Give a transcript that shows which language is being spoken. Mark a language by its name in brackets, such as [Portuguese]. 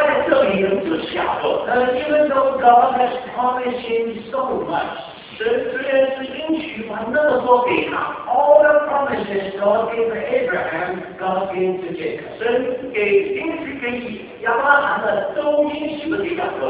[Chinese] 你发现这里人就是雅各。 [English] Even though God has promised him so much, [Chinese] 神虽然是应许把那么多给他。 [English] All the promises God gave Abraham, God gave to Jacob. [Chinese] 神给应许给亚伯拉罕的都应许了给雅各。